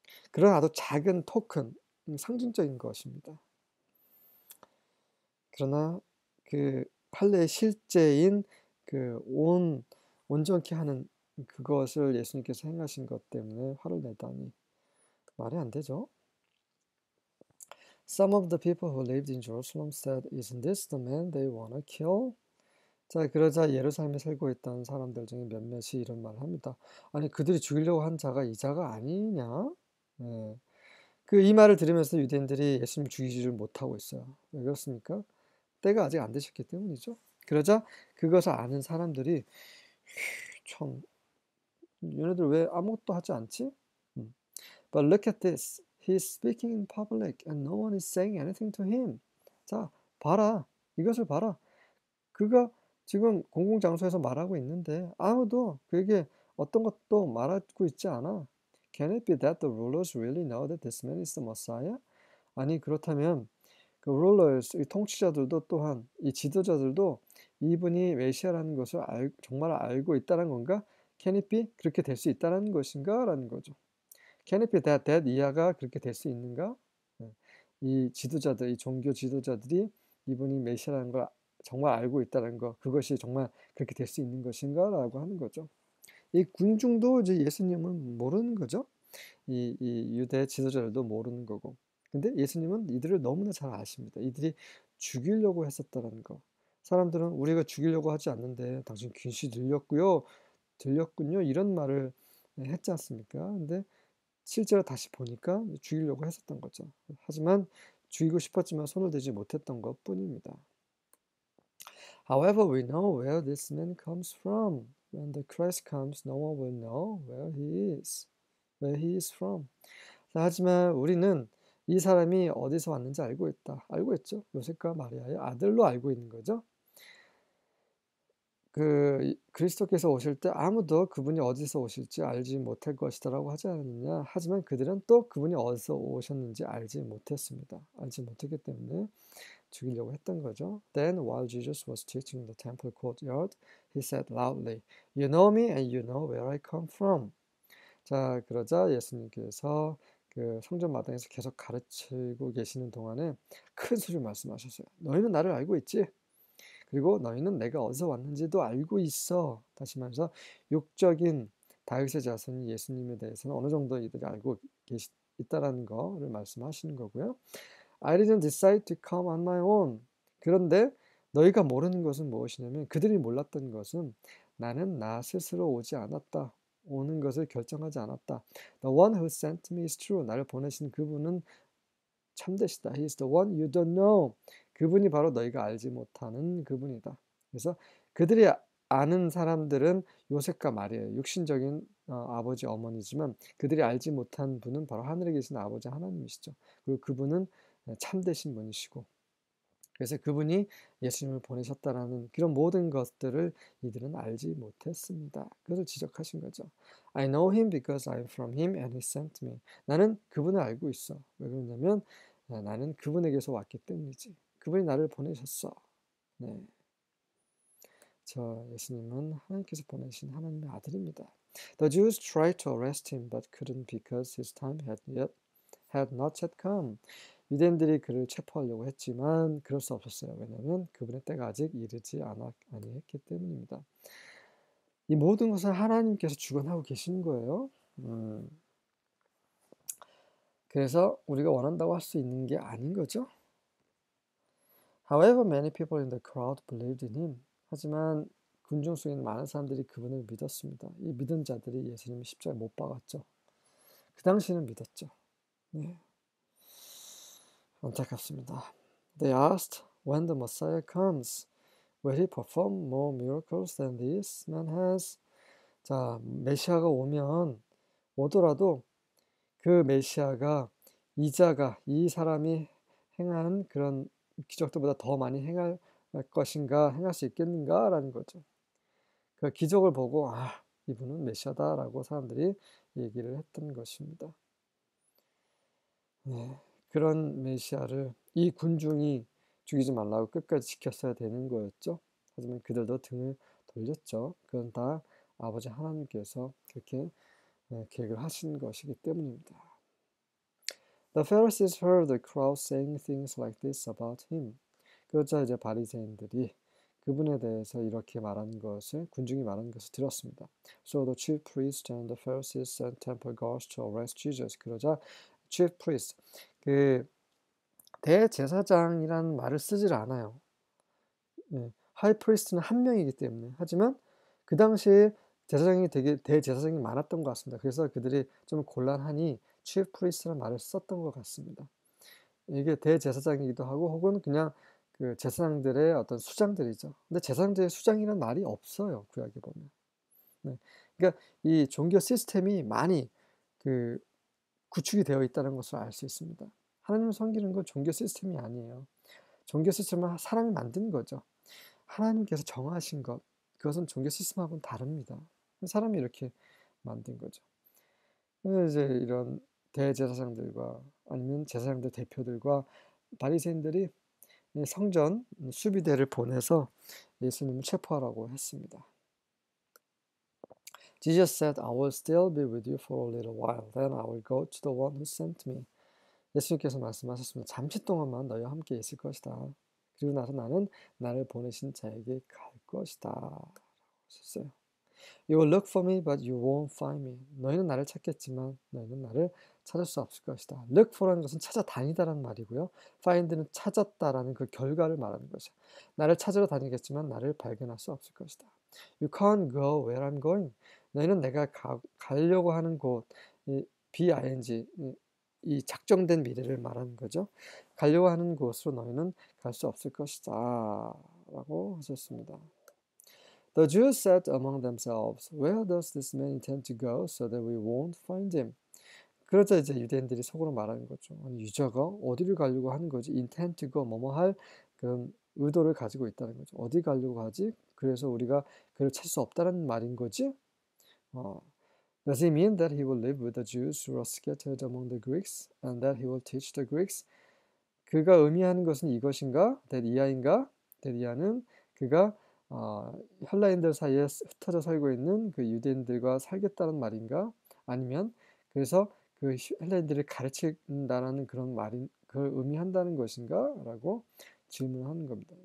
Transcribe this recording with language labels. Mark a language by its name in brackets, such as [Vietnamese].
[Korean] 그런 아주 작은 토큰, 상징적인 것입니다. 그러나 그 할례의 실제인 그 온전케 하는 그것을 예수님께서 행하신 것 때문에 화를 내다니 말이 안 되죠. [English] Some of the people who lived in Jerusalem said, "Isn't this the man they want to kill?" [Korean] 자, 그러자 예루살렘에 살고 있던 사람들 중에 몇몇이 이런 말을 합니다. 아니, 그들이 죽이려고 한 자가 이 자가 아니냐? 네. 그이 말을 들으면서 유대인들이 예수님 죽이지를 못하고 있어요. 왜 그렇습니까? 때가 아직 안 되셨기 때문이죠. 그러자 그것을 아는 사람들이 참, 얘네들 왜 아무것도 하지 않지? [English] But look at this. He's speaking in public and no one is saying anything to him. [Korean] 자, 봐라. 이것을 봐라. 그가 지금 공공장소에서 말하고 있는데 아무도 그에게 어떤 것도 말하고 있지 않아. [English] Can it be that the rulers really know that this man is the Messiah? [Korean] 아니, 그렇다면 그 rulers, 이 통치자들도 또한 이 지도자들도 이분이 메시아라는 것을 정말 알고 있다는 건가? [English] Can it be? [Korean] 그렇게 될수 있다는 것인가? 라는 거죠. [English] Can it be that [Korean] 이하가 그렇게 될수 있는가? 이 지도자들, 이 종교 지도자들이 이분이 메시아라는 걸 정말 알고 있다는 것, 그것이 정말 그렇게 될수 있는 것인가? 라고 하는 거죠. 이 군중도 이제 예수님은 모르는 거죠. 이 유대 지도자들도 모르는 거고. 근데 예수님은 이들을 너무나 잘 아십니다. 이들이 죽이려고 했었다는 거. 사람들은 우리가 죽이려고 하지 않는데 당신 귀신 들렸군요. 이런 말을 했지 않습니까? 근데 실제로 다시 보니까 죽이려고 했었던 거죠. 하지만 죽이고 싶었지만 손을 대지 못했던 것뿐입니다. [English] However, we know where this man comes from. When the Christ comes, no one will know where he is from. [Korean] 하지만 우리는 이 사람이 어디서 왔는지 알고 있다. 알고 있죠. 요셉과 마리아의 아들로 알고 있는 거죠. 그리스도께서 오실 때 아무도 그분이 어디서 오실지 알지 못할 것이다라고 하지 않느냐. 하지만 그들은 또 그분이 어디서 오셨는지 알지 못했습니다. 알지 못했기 때문에 죽이려고 했던 거죠. [English] Then while Jesus was teaching the temple courtyard, he said loudly, "You know me and you know where I come from." [Korean] 자, 그러자 예수님께서 그 성전 마당에서 계속 가르치고 계시는 동안에 큰 소리로 말씀하셨어요. 너희는 나를 알고 있지? 그리고 너희는 내가 어디서 왔는지도 알고 있어. 다시 말해서 육적인 다윗의 자손인 예수님에 대해서는 어느 정도 이들이 알고 있다라는 거를 말씀하시는 거고요. [English] I didn't decide to come on my own. [Korean] 그런데 너희가 모르는 것은 무엇이냐면 그들이 몰랐던 것은 나는 나 스스로 오지 않았다. 오는 것을 결정하지 않았다. [English] The one who sent me is true. [Korean] 나를 보내신 그분은 참되시다. [English] He is the one you don't know. [Korean] 그분이 바로 너희가 알지 못하는 그분이다. 그래서 그들이 아는 사람들은 요셉과 마리아예요. 육신적인 아버지 어머니지만 그들이 알지 못한 분은 바로 하늘에 계신 아버지 하나님이시죠. 그리고 그분은 참되신 분이시고. 그래서 그분이 예수님을 보내셨다라는 그런 모든 것들을 이들은 알지 못했습니다. 그것을 지적하신 거죠. [English] I know him because I'm from him and he sent me. [Korean] 나는 그분을 알고 있어. 왜 그러냐면 나는 그분에게서 왔기 때문이지. 그분이 나를 보내셨어. 네. 저 예수님은 하나님께서 보내신 하나님의 아들입니다. [English] The Jews tried to arrest him but couldn't because his time had not yet come. [Korean] 유대인들이 그를 체포하려고 했지만 그럴 수 없었어요. 왜냐하면 그분의 때가 아직 이르지 아니했기 때문입니다. 이 모든 것은 하나님께서 주관하고 계신 거예요. 그래서 우리가 원한다고 할수 있는 게 아닌 거죠. [English] However, many people in the crowd believed in him. [Korean] 하지만 군중 속에 많은 사람들이 그분을 믿었습니다. 이 믿은 자들이 예수님을 십자가에 못 박았죠. 그 당시에는 믿었죠. 네. 안타깝습니다. [English] They asked, when the Messiah comes, will he perform more miracles than this man has? [Korean] 자, 메시아가 오면 오더라도 그 메시아가 이 사람이 행한 그런 기적들보다 더 많이 행할 것인가, 행할 수 있겠는가라는 거죠. 그 기적을 보고 아, 이분은 메시아다라고 사람들이 얘기를 했던 것입니다. 네, 그런 메시아를 이 군중이 죽이지 말라고 끝까지 지켰어야 되는 거였죠. 하지만 그들도 등을 돌렸죠. 그건 다 아버지 하나님께서 그렇게 계획을 하신 것이기 때문입니다. [English] The Pharisees heard the crowd saying things like this about him. [Korean] 그러자 이제 바리새인들이 그분에 대해서 이렇게 말한 것을 군중이 말한 것을 들었습니다. [English] So the chief priests and the Pharisees sent temple guards to arrest Jesus. [Korean] 그러자 [English] chief priest, [Korean] 그 대제사장이라는 말을 쓰질 않아요. 네, [English] high priest [Korean] 는 한 명이기 때문에. 하지만 그 당시에 제사장이 되게 대제사장이 많았던 것 같습니다. 그래서 그들이 좀 곤란하니 [English] chief priest [Korean] 라는 말을 썼던 것 같습니다. 이게 대제사장이기도 하고 혹은 그냥 그 제사장들의 어떤 수장들이죠. 근데 제사장들의 수장이란 말이 없어요. 구약에 보면. 네. 그러니까 이 종교 시스템이 많이 그 구축이 되어 있다는 것을 알수 있습니다. 하나님을 섬기는 건 종교 시스템이 아니에요. 종교 시스템은 사람이 만든 거죠. 하나님께서 정하신 것, 그것은 종교 시스템하고는 다릅니다. 사람이 이렇게 만든 거죠. 그래서 이제 이런 대제사장들과 아니면 제사장들 대표들과 바리새인들이 성전 수비대를 보내서 예수님을 체포하라고 했습니다. [English] Jesus said, "I will still be with you for a little while, then I will go to the one who sent me." [Korean] 예수님께서 말씀하셨습니다. 잠시 동안만 너희와 함께 있을 것이다. 그리고 나서 나는 나를 보내신 자에게 갈 것이다. 하셨어요. [English] You will look for me, but you won't find me. [Korean] 너희는 나를 찾겠지만 너희는 나를 찾을 수 없을 것이다. [English] Look for [Korean] 라는 것은 찾아다니다라는 말이고요. Find는 찾았다라는 그 결과를 말하는 것이야. 나를 찾으러 다니겠지만 나를 발견할 수 없을 것이다. [English] You can't go where I'm going. [Korean] 너희는 내가 가려고 하는 곳, 이 BING, 이 작정된 미래를 말하는 거죠. 가려고 하는 곳으로 너희는 갈수 없을 것이다. 라고 하셨습니다. [English] The Jews said among themselves, "Where does this man intend to go so that we won't find him?" [Korean] 그러자 이제 유대인들이 속으로 말하는 거죠. 아니, 유저가 어디를 가려고 하는 거지? [English] Intend to go, [Korean] 뭐뭐 할 그런 의도를 가지고 있다는 거죠. 어디 가려고 하지? 그래서 우리가 그를 찾을 수 없다는 말인 거지? [English] Does he mean that he will live with the Jews who are scattered among the Greeks and that he will teach the Greeks? [Korean] 그가 의미하는 것은 이것인가? That 이하인가? That 이하는 그가 헬라인들 사이에 흩어져 살고 있는 그 유대인들과 살겠다는 말인가? 아니면 그래서 그 헬라인들을 가르친다라는 그런 말인 그걸 의미한다는 것인가?라고 질문하는 겁니다.